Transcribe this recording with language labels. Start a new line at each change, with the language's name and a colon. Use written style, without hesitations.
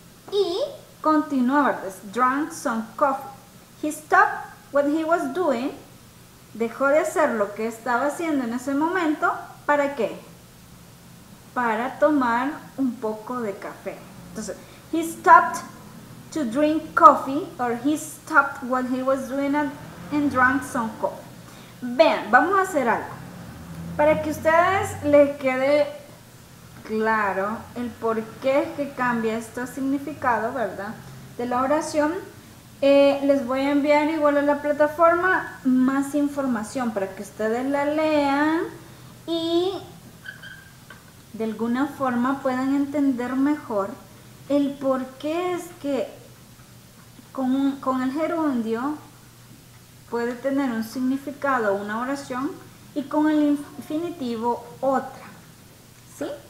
Spanish: Y continuó, ¿verdad?
English: Drank some coffee. He stopped what he was doing.
Spanish: Dejó de hacer lo que estaba haciendo en ese momento, ¿para qué? Para tomar un poco de café. Entonces,
English: he stopped to drink coffee, or he stopped what he was doing and drank some coffee.
Spanish: Vean, vamos a hacer algo. Para que ustedes les quede claro el por qué es que cambia este significado, ¿verdad? De la oración. Les voy a enviar igual a la plataforma más información para que ustedes la lean y de alguna forma puedan entender mejor el por qué es que con el gerundio puede tener un significado una oración y con el infinitivo otra, ¿sí?